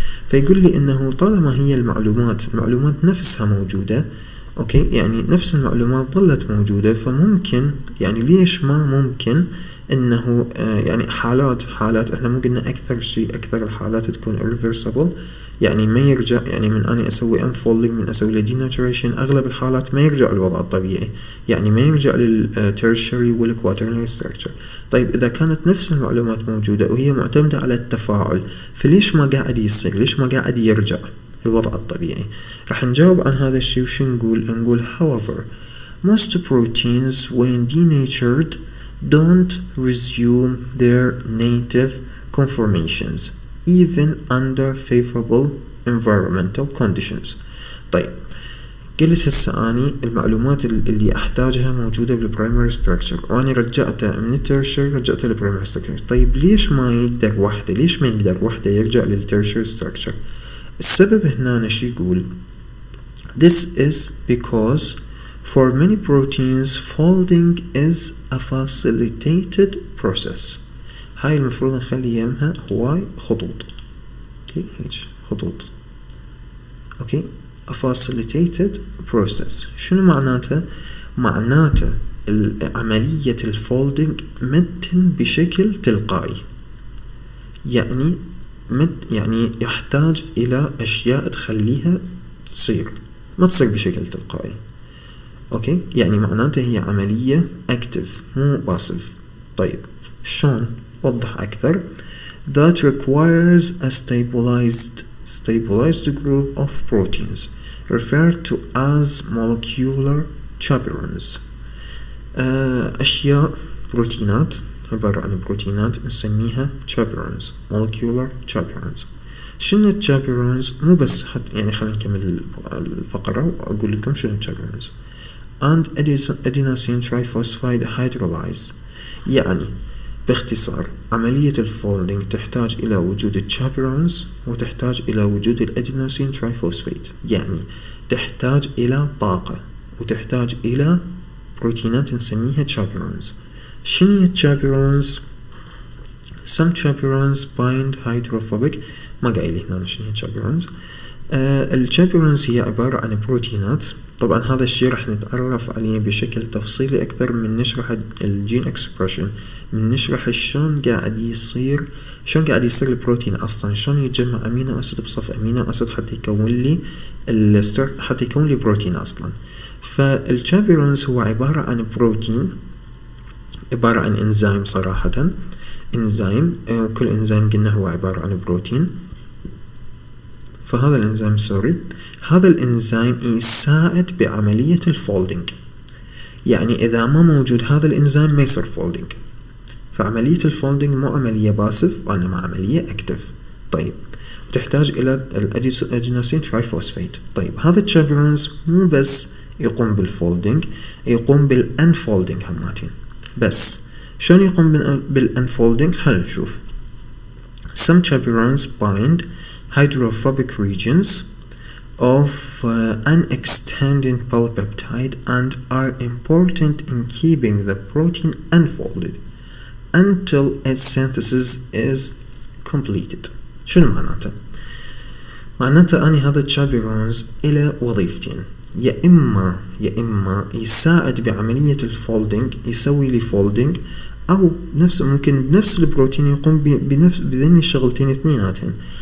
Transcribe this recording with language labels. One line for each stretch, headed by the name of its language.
Arabic: فيقول لي انه طالما هي المعلومات نفسها موجودة اوكي يعني نفس المعلومات ظلت موجودة فممكن يعني ليش ما ممكن انه يعني حالات احنا مو قلنا اكثر شيء اكثر الحالات تكون irreversible يعني ما يرجع يعني من اني اسوي unfolding من اسوي denaturation اغلب الحالات ما يرجع الوضع الطبيعي يعني ما يرجع للtertiary والquaternary structure. طيب اذا كانت نفس المعلومات موجودة وهي معتمدة على التفاعل فليش ما قاعد يصير ليش ما قاعد يرجع الوضع الطبيعي؟ رح نجاوب عن هذا الشيء وش نقول. نقول
English: however most proteins when denatured don't resume their native conformations even under favorable environmental conditions.
Arabic: طيب قلت هسه اني المعلومات اللي احتاجها موجوده بالبرايمري ستراكشر وانا رجعتها من التيرشري رجعتها للبرايمري ستراكشر. طيب ليش ما يقدر وحده ليش ما يقدر وحده يرجع للتيرشري ستراكشر؟ السبب هنا شو يقول.
English: This is because for many proteins folding is a facilitated process.
Arabic: هاي المفروض نخلي يمها هواي خطوط اوكي هيك خطوط اوكي
English: a facilitated process.
Arabic: شنو معناته؟ معناته عملية الفولدينج متن بشكل تلقائي يعني مت يعني يحتاج الى اشياء تخليها تصير ما تصير بشكل تلقائي اوكي يعني معناته هي عملية اكتف مو باسف. طيب شلون وضح أكثر.
English: That requires a stabilized group of proteins referred to as molecular chaperones.
Arabic: أشياء بروتينات عبارة عن بروتينات نسميها
English: chaperones molecular chaperones.
Arabic: شنو chaperones؟ مو بس حتى يعني خلينا نكمل الفقرة وأقول لكم شنو chaperones.
English: And adenosine triphosphate hydrolyze.
Arabic: يعني باختصار عملية الفولدينج تحتاج إلى وجود الشابيرونز وتحتاج إلى وجود الأدينوسين تريفوسفيت يعني تحتاج إلى طاقة وتحتاج إلى بروتينات نسميها شابيرونز. شنية شابيرونز؟
English: Some chaperones bind hydrophobic.
Arabic: ما قايل هنا شنية شابيرونز. الشابيرونز هي عبارة عن بروتينات. طبعا هذا الشيء رح نتعرف عليه بشكل تفصيلي أكثر من نشرح الجين اكسبرشن من نشرح شلون قاعد يصير البروتين أصلا شلون يتجمع أمينو أسيد بصف أمينو أسيد حتى يكون لي حتى يكون لي بروتين أصلا. فالتشابيرونز هو عبارة عن بروتين عبارة عن إنزيم صراحة إنزيم وكل إنزيم قلنا هو عبارة عن بروتين. فهذا الإنزيم سوري هذا الإنزيم يساعد بعملية الفولدينج يعني إذا ما موجود هذا الإنزيم ما يصير فولدينج. فعملية الفولدينج مو عملية باسف وإنما عملية أكتف. طيب وتحتاج إلى الأدينوسين تريفوسفيت. طيب هذا الشابيرونز مو بس يقوم بالفولدينج يقوم بالأنفولدينج هماتين بس شلون يقوم بالأنفولدينج خلينا نشوف.
English: Some chaperones bind hydrophobic regions of an extended polypeptide and are important in keeping the protein unfolded until its synthesis is completed.
Arabic: شنو معناته؟ معناته أني هذا chaperones إلى وظيفتين، يا إما يساعد بعملية الفولدينج، يسوي لي فولدينج، أو نفس ممكن بنفس البروتين يقوم بنفس بذني شغلتين اثنيناتهن،